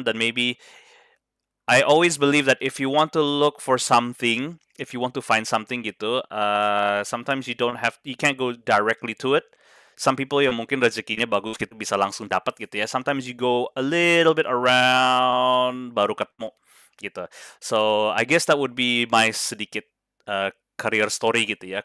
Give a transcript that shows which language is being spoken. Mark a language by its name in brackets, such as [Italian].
[English] Dan maybe I always believe that if you want to look for something, if you want to find something gitu, sometimes you can't go directly to it. Some people [Indonesian] yang mungkin rezekinya bagus gitu bisa langsung dapat gitu ya. [English] Sometimes you go a little bit around [Indonesian] baru ketemu gitu. [English] So I guess that would be my sedikit career story gitu ya.